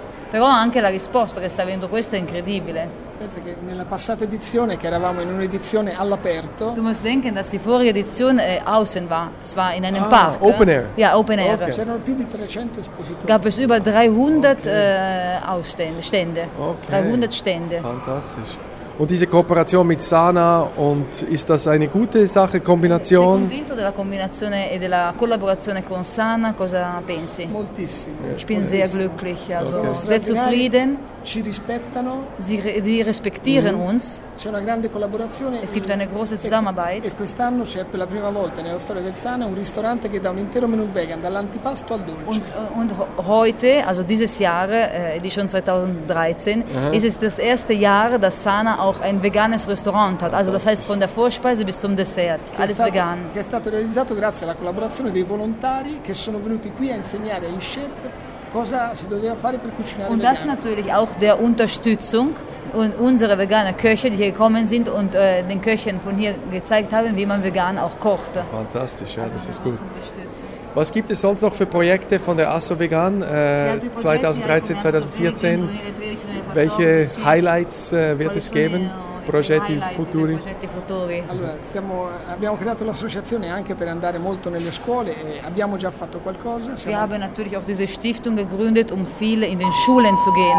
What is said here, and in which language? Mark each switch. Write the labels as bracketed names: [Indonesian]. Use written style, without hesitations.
[Italian] Però anche la risposta che sta avendo questo è incredibile. Pensa che nella passata edizione, che eravamo in un'edizione all'aperto. [German] Du musst denken, dass die vorige Edition außen war. Es war in einem Park. Open air. Ja, open air. [Italian] Okay. C'erano più di 300 espositori. [German] Gab es über 300 Stände. Okay. 300 Stände. Fantastisch. Und diese Kooperation mit Sana, und ist das eine gute Sache, Kombination? [Italian] Sei convinto della combinazione e della collaborazione con Sana, cosa pensi? Moltissimo. [German] Ich bin sehr glücklich, also okay. Sehr zufrieden. [Italian] Ci rispettano. [German] Sie respektieren uns. [Italian] C'è una grande collaborazione. [German] Es gibt eine große Zusammenarbeit. [Italian] E quest'anno c'è per la prima volta nella storia del Sana un ristorante che dà un intero menu vegan dall'antipasto al dolce. [German] Und heute, also dieses Jahr, Edition 2013, ist es das erste Jahr, dass Sana auch ein veganes Restaurant hat. Also das heißt von der Vorspeise bis zum Dessert, [Italian] che [German] alles [Italian] stato, [German] vegan. [Italian] Che è stato realizzato grazie alla collaborazione dei volontari che sono venuti qui a insegnare ai chef cosa si doveva fare per cucinare vegan. [German] Und das natürlich auch der Unterstützung und unsere vegane Köche, die hier gekommen sind und den Köchen von hier gezeigt haben, wie man vegan auch kocht. Fantastisch, ja, also das ist gut. Was gibt es sonst noch für Projekte von der Asso Vegan 2013, 2014? Welche Highlights wird es geben? [Italian] Progetti futuri. Allora, abbiamo creato l'associazione anche per andare molto nelle scuole e abbiamo già fatto qualcosa. [German] Wir haben natürlich auch diese Stiftung gegründet, um viel in den Schulen zu gehen.